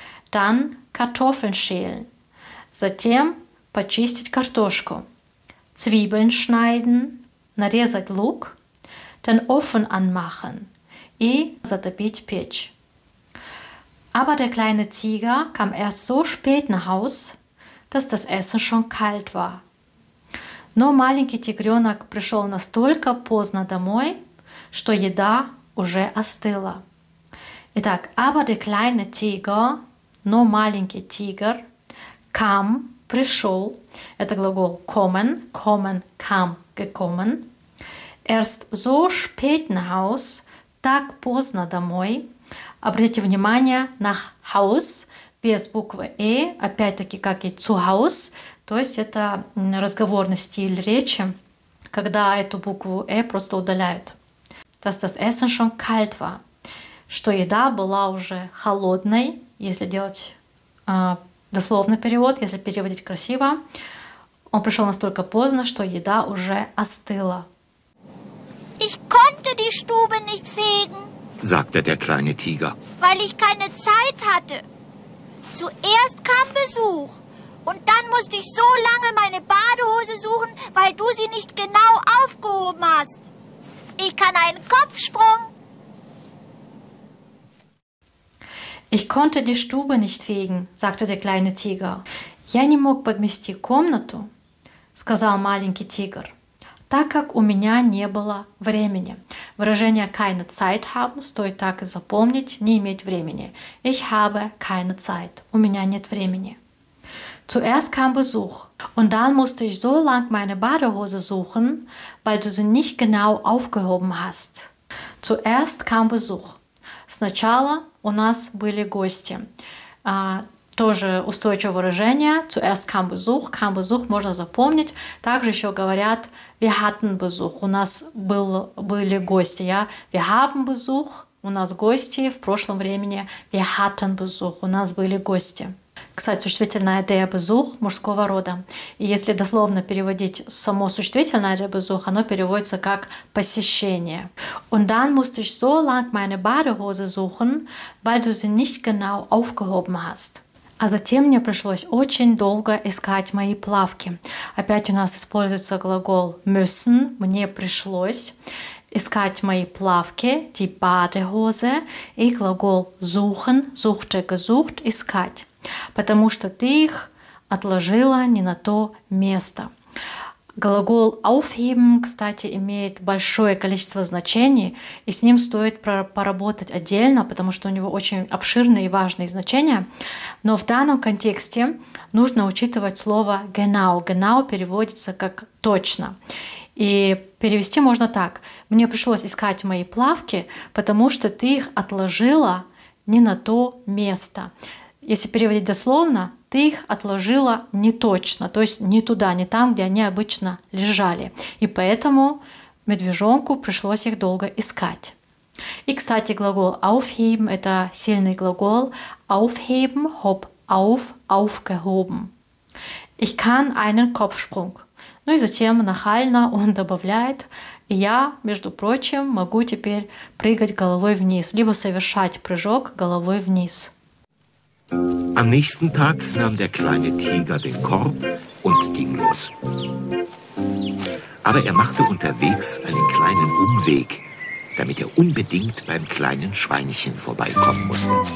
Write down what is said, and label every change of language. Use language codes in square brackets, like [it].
[de] Dann Kartoffeln schälen, [ru] затем почистить картошку. [de] Zwiebeln schneiden, [ru] нарезать лук. [de] Den Ofen anmachen, [ru] и затопить печь. [de] Aber der kleine Tiger kam erst so spät nach Haus, dass das Essen schon kalt war. [ru] Но маленький тигренок пришел настолько поздно домой, что еда уже остыла. Итак, [de] aber der kleine Tiger, [ru] но маленький тигр, kam, пришел, это глагол kommen, kommen, kam, gekommen, [de] erst so spät nach Haus, [ru] так поздно домой. Обратите внимание, nach Haus, без буквы E, опять-таки, как и zu Haus, то есть это разговорный стиль речи, когда эту букву E просто удаляют. [de] Dass das Essen schon kalt war, [ru] что еда была уже холодной, если делать дословный перевод, если переводить красиво. Он пришел настолько поздно, что еда уже остыла. [de] Ich konnte die Stube nicht fegen, sagte der kleine Tiger, weil ich keine Zeit hatte. Zuerst kam Besuch und dann musste ich so lange meine Badehose suchen, weil du sie nicht genau aufgehoben hast. Ich kann einen Kopfsprung. Ich konnte die Stube nicht fegen, sagte der kleine Tiger. [ru] Я не мог подмести комнату, сказал маленький тигр, так как у меня не было времени. Выражение [de] keine Zeit haben [ru] стоит так и запомнить, не иметь времени. [de] Ich habe keine Zeit. [ru] У меня нет времени. [de] Zuerst kam Besuch. Und dann musste ich so lang meine Badehose suchen, weil du sie nicht genau aufgehoben hast. Zuerst kam Besuch. [ru] Сначала у нас были гости. Тоже устойчивое выражение. [de] Zuerst kam Besuch. [ru] Kam Besuch можно запомнить. Также еще говорят [de] wir hatten Besuch. [ru] У нас были гости. Ja? [de] Wir haben Besuch. [ru] У нас гости. В прошлом времени [de] wir hatten Besuch. [ru] У нас были гости. Кстати, существительное der Besuch мужского рода. И если дословно переводить само существительное der Besuch, оно переводится как посещение. [de] Und dann musste ich so lang meine Badehose suchen, weil du sie nicht genau aufgehoben hast. [ru] А затем мне пришлось очень долго искать мои плавки. Опять у нас используется глагол müssen. Мне пришлось искать мои плавки, die Badehose, и глагол [de] suchen, suchte, gesucht, [ru] искать. Потому что ты их отложила не на то место. Глагол aufheben, кстати, имеет большое количество значений, и с ним стоит поработать отдельно, потому что у него очень обширные и важные значения. Но в данном контексте нужно учитывать слово genau. Genau переводится как точно. И перевести можно так. Мне пришлось искать мои плавки, потому что ты их отложила не на то место. Если переводить дословно, ты их отложила не точно, то есть не туда, не там, где они обычно лежали. И поэтому медвежонку пришлось их долго искать. И, кстати, глагол aufheben – это сильный глагол. [de] Aufheben, hob, auf, aufgehoben. Ich kann einen Kopfsprung. [ru] Ну и затем нахально он добавляет. И я, между прочим, могу теперь прыгать головой вниз, либо совершать прыжок головой вниз. [de] Am nächsten Tag nahm der kleine Tiger den Korb und ging los. Aber er machte unterwegs einen kleinen Umweg, damit er unbedingt beim kleinen Schweinchen vorbeikommen musste.